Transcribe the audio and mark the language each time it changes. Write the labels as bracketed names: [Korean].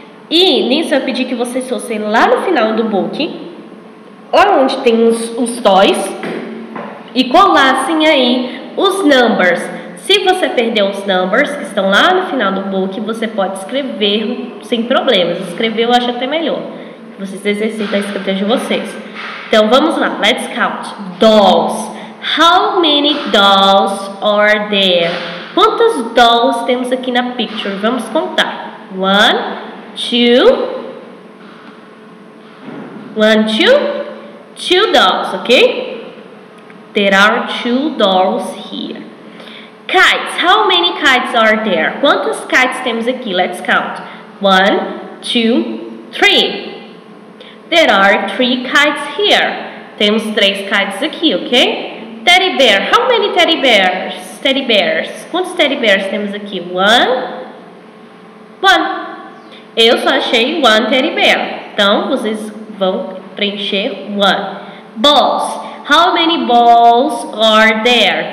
[Portuguese] E, nisso, eu pedi que vocês fossem lá no final do book, lá onde tem os toys, e colassem aí os numbers. Se você perdeu os numbers que estão lá no final do book, você pode escrever sem problemas. Escrever eu acho até melhor. Vocês exercitam a escrita de vocês. Então vamos lá. [English] Let's count. [Portuguese] Dolls. [English] How many dolls are there? [Portuguese] Quantos dolls temos aqui na picture? Vamos contar. [English] One, two. One, two. two dolls, okay? There are two dolls here. Kites. How many kites are there? [Portuguese] Quantos kites temos aqui? [English] Let's count. One, two, three. There are three kites here. [Portuguese] Temos três kites aqui, [English] okay? Teddy bear. How many teddy bears? Teddy bears. [Portuguese] Quantos teddy bears temos aqui? One. One. Eu só achei one teddy bear. Então, vocês vão preencher one. [English] Balls. How many balls are there?